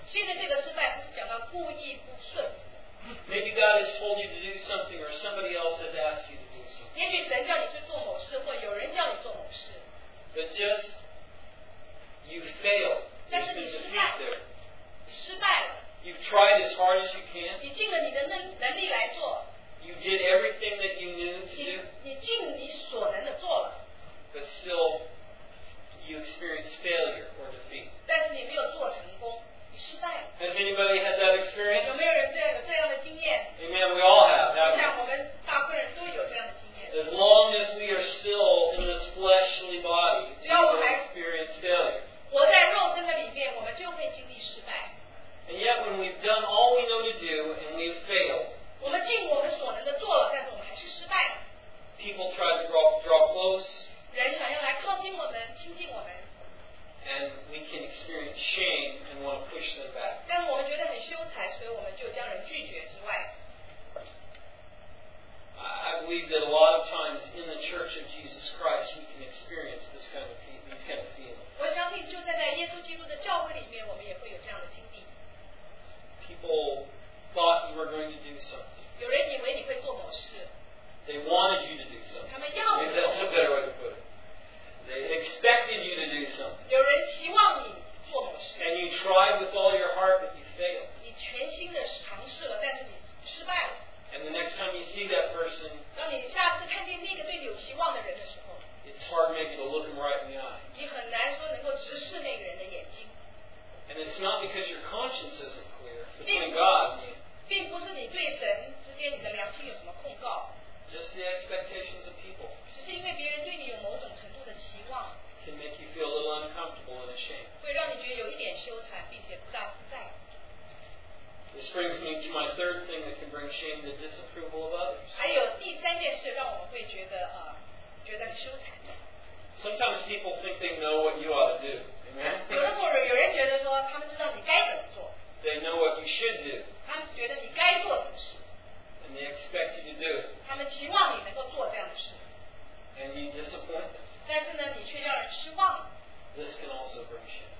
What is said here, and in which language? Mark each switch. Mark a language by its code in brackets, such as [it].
[zh] 现在这个失败不是讲到故意不顺服。 [en] Maybe God has told you to do something or somebody else has asked you to do something. [zh] 也许神叫你去做某事或有人叫你做某事。 [en] But just, you fail. [zh] 但是你失败了。你失败了。 [en] You've tried as hard as you can. [zh] 你尽了你的能力来做。 [en] You did everything that you knew to do. [zh] 你尽你所能的做了。 [en] But still, you experience failure or defeat. [zh] 但是你没有做成功。 [en] Has anybody had that experience? [zh] 有没有人这样的经验？ [en] Amen. We all have. [zh] 我想我们大部分人都有这样的经验。 [en] As long as we are still in this fleshly body, we experience failure. [zh] 活在肉身的里面，我们就会经历失败。 [en] And yet, when we've done all we know to do and we've failed, [zh] 我们尽我们所能的做了，但是我们还是失败了。 [en] People try to draw close. [zh] 人想要来靠近我们，亲近我们。 [en] And we can experience shame and want to push them back. [zh] 但我们觉得很羞耻，所以我们就将人拒绝之外。 [en] I believe that a lot of times in the Church of Jesus Christ, we can experience these kind of feelings. [zh] 我相信就在耶稣基督的教会里面，我们也会有这样的经历。 [en] People thought you were going to do something. [zh] 有人以为你会做某事。 [en] They wanted you to do something. [zh] 他们要你做。 [en] Maybe that's a better way to put it. They expected you to do something. [zh] 有人期望你做某事。 [en] And you tried with all your heart, but you failed. [zh] 你全心的尝试了，但是你失败了。 [en] And the next time you see that person, [zh] 当你下次看见那个对你有期望的人的时候， [en] it's hard maybe to look him right in the eye. [zh] 你很难说能够直视那个人的眼睛。 [en] And it's not because your conscience isn't clear between God and you. [zh] 并不是你对神之间你的良心有什么控告。 [en] Just the expectations of people. [zh] 只是因为别人对你有某种程度的期望。 [en] Can make you feel a little uncomfortable and ashamed. [zh] 会让你觉得有一点羞耻，并且不大自在。 [en] This brings me to my third thing that can bring shame, the disapproval of others. [zh] 还有第三件事让我们会觉得啊，觉得很羞惭。 [en] Sometimes people think they know what you ought to do. Amen. [zh] 有的时候有人觉得说他们知道你该怎么做。 [en] They know what you should do. [zh] 他们觉得你该做什么事。 [en] And they expect you to do it. [zh] 他们期望你能够做这样的事。 [en] And you disappoint them. [zh] 但是呢，你却让人失望。 [en] This can also bring shame.